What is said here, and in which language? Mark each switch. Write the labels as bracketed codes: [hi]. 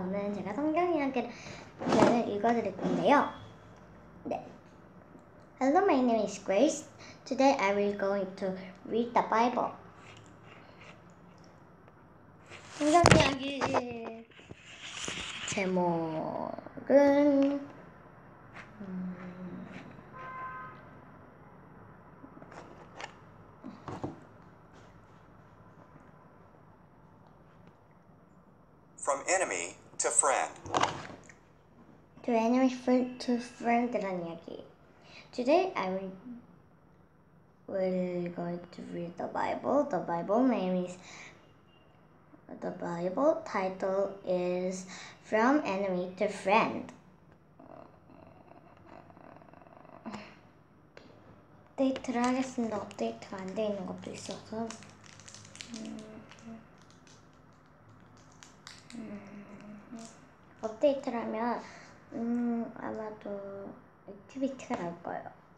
[ko] 오늘은 제가 성경 이야기를 읽어 드릴 건데요. 네. [en] Hello, my name is Grace. Today I will going to read the Bible. [ko] 성경 이야기 제목은 [en] From enemy to friend. To enemy to friend [ko] 라는 이야기. [en] Today I will going to read the Bible. The Bible name is The Bible title is From Enemy to Friend. [ko] 업데이트를 하겠습니다. 업데이트가 안 되어 있는 것도 있어서. 업데이트를 하면 아마도 액티비티가 나올 거예요.